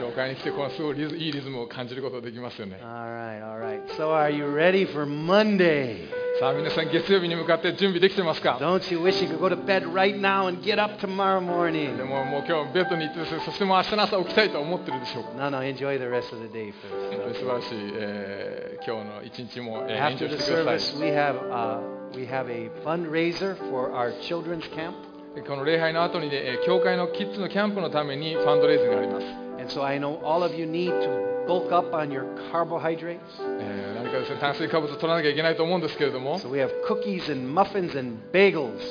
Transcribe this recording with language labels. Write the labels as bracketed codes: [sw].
[ja] 教会に来てすごいいいリズムを感じることができますよね。 [en] All right. So are you ready for Monday? [ja] さあ皆さん月曜日に向かって準備できてますか? [en] Don't you wish you could go to bed right now and get up tomorrow morning? [ja] でももう今日ベッドに行ってそしてもう明日の朝起きたいと思ってるでしょうか? [en] No. Enjoy the rest of the day first. [ja] 素晴らしい、今日の一日も、 [en] After the service, we have a fundraiser for our children's camp. [ja] この礼拝の後に、ね、教会のキッズのキャンプのためにファンドレイズがあります。 [en] And so I know all of you need to bulk up on your carbohydrates. [ja] 何かですね、炭水化物を取らなきゃいけないと思うんですけれども。 [en] So we have cookies and muffins and bagels.